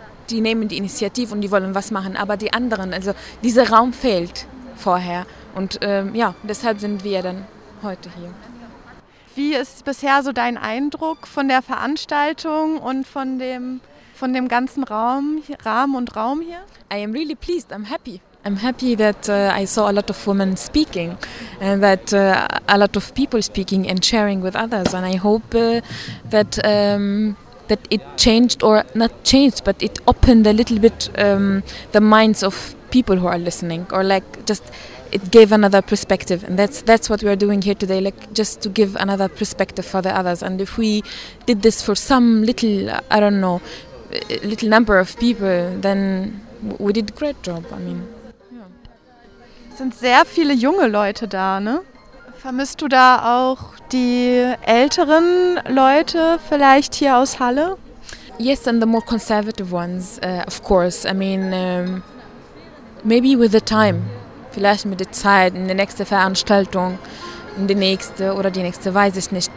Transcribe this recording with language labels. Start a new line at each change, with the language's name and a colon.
German: Die nehmen die Initiative und die wollen was machen, aber die anderen, also dieser Raum fehlt vorher. Und deshalb sind wir dann heute hier. Wie ist bisher so dein Eindruck von der Veranstaltung und von dem ganzen Rahmen hier?
English: I am really pleased, I'm happy. I'm happy that I saw a lot of women speaking and that a lot of people speaking and sharing with others. And I hope that it changed, or not changed, but it opened a little bit the minds of people who are listening, or like just it gave another perspective. And that's what we are doing here today, like just to give another perspective for the others. And if we did this for some little, I don't know, little number of people, then we did a great job. I mean, yeah.
German: Sind sehr viele junge Leute da, ne? Vermisst du da auch die älteren Leute vielleicht hier aus Halle?
English: Yes, and the more conservative ones, of course. I mean, maybe with the time,
German: vielleicht mit der Zeit, in der nächsten Veranstaltung, in der nächsten oder die nächste, weiß ich nicht.